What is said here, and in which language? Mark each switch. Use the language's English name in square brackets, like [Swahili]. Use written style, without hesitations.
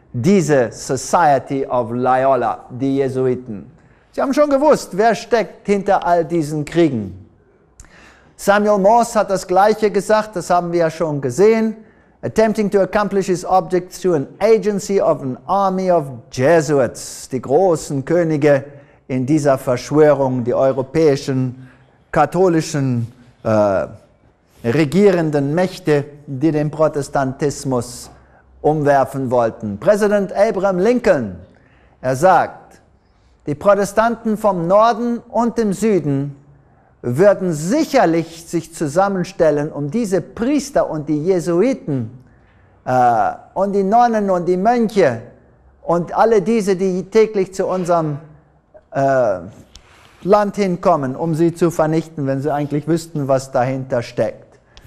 [German] Diese Society of Loyola, die Jesuiten. Sie haben schon gewusst, wer steckt hinter all diesen Kriegen. Samuel Morse hat das Gleiche gesagt, das haben wir ja schon gesehen. [English] Attempting to accomplish his object through an agency of an army of Jesuits. [German] Die großen Könige in dieser Verschwörung, die europäischen katholischen regierenden Mächte, die den Protestantismus umwerfen wollten. Präsident Abraham Lincoln, er sagt, die Protestanten vom Norden und dem Süden würden sicherlich sich zusammenstellen, um diese Priester und die Jesuiten und die Nonnen und die Mönche und alle diese, die täglich zu unserem Land hinkommen, um sie zu vernichten, wenn sie eigentlich wüssten, was dahinter steckt.